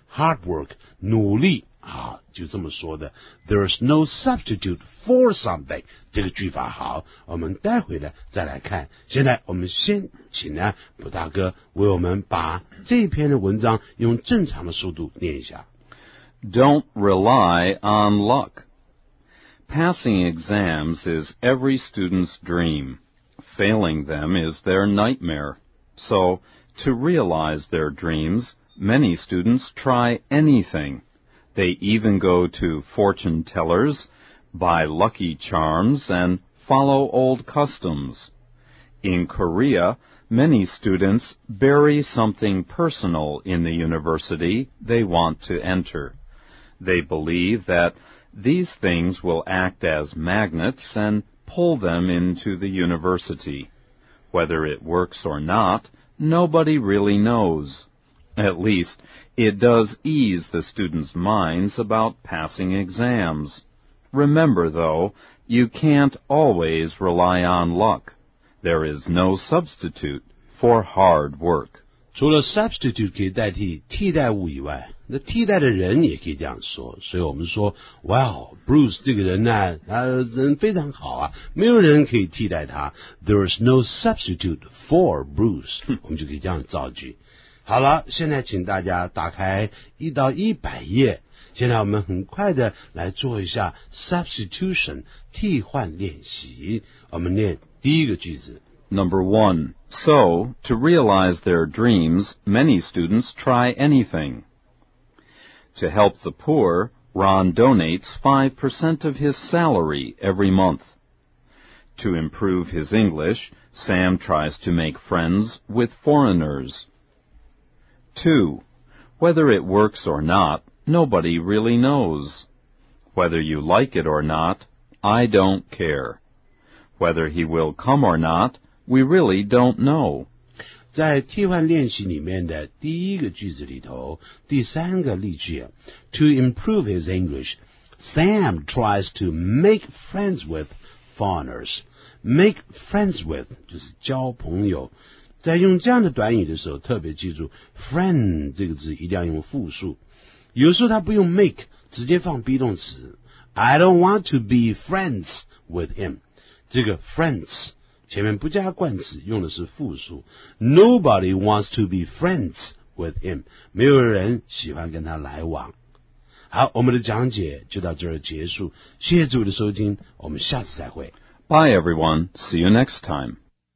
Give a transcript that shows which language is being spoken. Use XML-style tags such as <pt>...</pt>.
<en>Hard work，</en> <zh>努力啊，就这么说的。</zh> <en>There is no substitute for something，</en> <zh>这个句法好，我们待会呢再来看。现在我们先请呢卜大哥为我们把这篇的文章用正常的速度念一下。</zh> <en>Don't rely on luck. Passing exams is every student's dream. Failing them is their nightmare. So to realize their dreams, many students try anything. They even go to fortune tellers, buy lucky charms, and follow old customs. In Korea, many students bury something personal in the university they want to enter. They believe that these things will act as magnets and pull them into the university. Whether it works or not, nobody really knows. At least, it does ease the students' minds about passing exams. Remember, though, you can't always rely on luck. There is no substitute for hard work.</en> <zh>除了 substitute 可以代替替代物以外，那替代的人也可以这样说。所以我们说 ,Wow, Bruce 这个人呢，他人非常好啊，没有人可以替代他。</zh> <en>There is no substitute for Bruce.</en> <zh>我们就可以这样造句。好了，现在请大家打开一到一百页。现在我们很快的来做一下 substitution 替换练习。我们念第一个句子。</zh> <en>Number one. So, to realize their dreams, many students try anything. To help the poor, Ron donates 5% of his salary every month. To improve his English, Sam tries to make friends with foreigners. Two, whether it works or not, nobody really knows. Whether you like it or not, I don't care. Whether he will come or not, we really don't know.</en> <zh>在替换练习里面的第一个句子里头，第三个例句，</zh> <en>To improve his English, Sam tries to make friends with foreigners. Make friends with,</en> <zh>就是交朋友。在用这样的短语的时候，特别记住 friend 这个字一定要用复数。有时候他不用 make， 直接放 be 动词。</zh> <en>I don't want to be friends with him。</en> <zh>这个 friends 前面不加冠词，用的是复数。</zh> <en>Nobody wants to be friends with him。</en> <zh>没有人喜欢跟他来往。好，我们的讲解就到这儿结束。谢谢诸位的收听，我们下次再会。</zh> <en>Bye everyone. See you next time.</en>